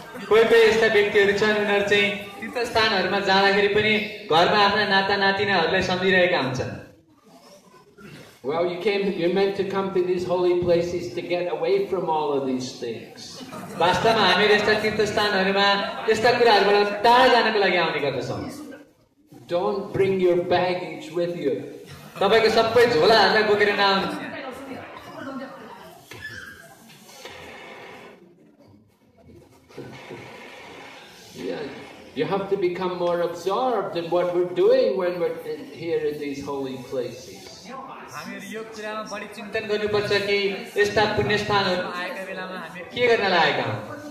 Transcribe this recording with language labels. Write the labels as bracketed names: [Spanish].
[Nepali] कोही कोही यस्ता व्यक्तिहरू छन्, उनीहरू चाहिँ तीर्थस्थानहरूमा जाँदाखेरि पनि घरमा आफ्ना नाता नातिनाहरूलाई सम्झिरहेका हुन्छन्. [English] Well, you came, you're meant to come to these holy places to get away from all of these things. [Nepali] वास्तवमा हामी यस्ता तीर्थस्थानहरूमा यस्ता कुराहरूबाट टाढा जानको लागि आउने गर्दछौँ. [English] Don't bring your baggage with you. [Nepali] तपाईँको सबै झोलाहरूलाई बोकेर नआउनुहोस्. [English] You have to become more absorbed in what we're doing when we're here in these holy places. [Nepali] हामीले यो कुरामा बढी चिन्तन गर्नुपर्छ कि यस्ता पुण्य स्थानहरू आएका बेलामा हामी के गर्न लागेका हौ.